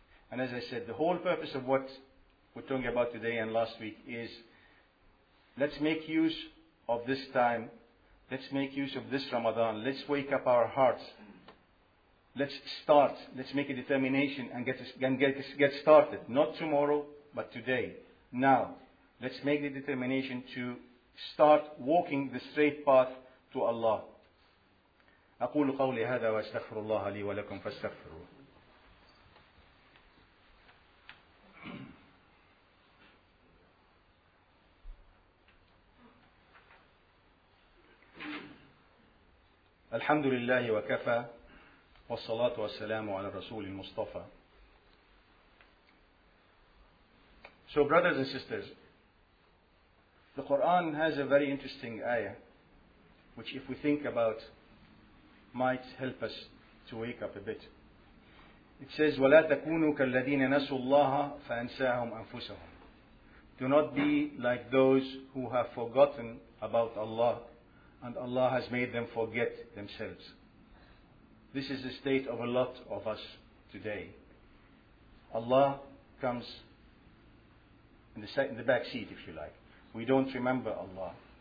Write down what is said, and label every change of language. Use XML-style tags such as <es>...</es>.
<en>And as I said, the whole purpose of what we're talking about today and last week is, let's make use of this time, let's make use of this Ramadan, let's wake up our hearts, let's start, let's make a determination and get started, not tomorrow, but today, now. Let's make the determination to start walking the straight path to Allah.</en> <ar>أقول قولي هذا وأستغفر الله لي ولكم فاستغفروا. الحمد لله وكفى والصلاة والسلام على الرسول المصطفى.</ar> <en>So brothers and sisters, the Quran has a very interesting ayah, which if we think about, might help us to wake up a bit. It says,</en> <ar>وَلَا تَكُونُوا كَالَّذِينَ نَسُوا اللَّهَ فَأَنْسَاهُمْ أَنفُسَهُمْ.</ar> <en>Do not be like those who have forgotten about Allah, and Allah has made them forget themselves. This is the state of a lot of us today. Allah comes in the back seat, if you like. We don't remember Allah.</en>